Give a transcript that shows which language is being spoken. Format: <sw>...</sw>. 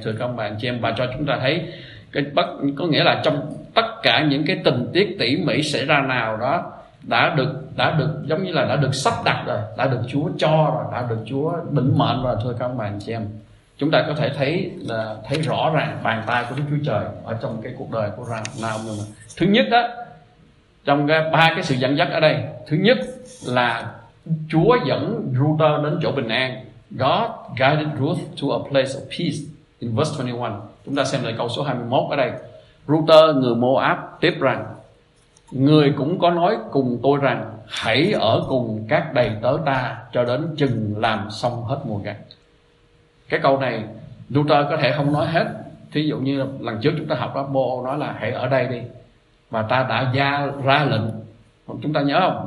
<vi>Thưa các ông bà anh chị em, bà cho chúng ta thấy có nghĩa là trong tất cả những cái tình tiết tỉ mỉ xảy ra nào đó đã được giống như là đã được sắp đặt rồi, đã được Chúa cho rồi, đã được Chúa định mệnh rồi. Thưa các ông bà anh chị em, chúng ta có thể thấy rõ ràng bàn tay của Đức Chúa Trời ở trong cái cuộc đời của Naomi. Thứ nhất đó, trong ba cái sự dẫn dắt ở đây, thứ nhất là Chúa dẫn Ruter đến chỗ bình an.</vi> <en>God guided Ruth to a place of peace in verse 21.</en> <vi>Chúng ta xem lại câu số 21 ở đây. Ruter người Moab tiếp rằng, người cũng có nói cùng tôi rằng hãy ở cùng các đầy tớ ta cho đến chừng làm xong hết mùa gặt. Cái câu này Ruter có thể không nói hết. Thí dụ như lần trước chúng ta học đó, Bo nói là hãy ở đây đi, và ta đã ra lệnh. Chúng ta nhớ không?</vi>